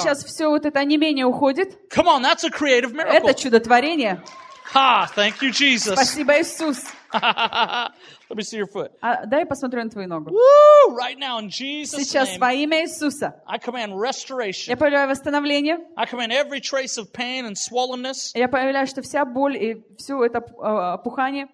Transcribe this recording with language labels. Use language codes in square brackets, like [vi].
[ru] И сейчас все вот это онемение уходит. [en] Come on, that's a creative miracle. [ru] Это чудотворение. [en] Ha! Thank you, Jesus. [ru] Спасибо, Иисус. [en] Let me see your foot. [ru] Дай посмотрю на твою ногу. [en] Woo! Right now, in Jesus' name. [ru] Сейчас во имя Иисуса. [en] I command restoration. [ru] Я повелеваю восстановление. [en] I command every trace of pain and swollenness. [ru] Я повелеваю, что вся боль и все это опухание.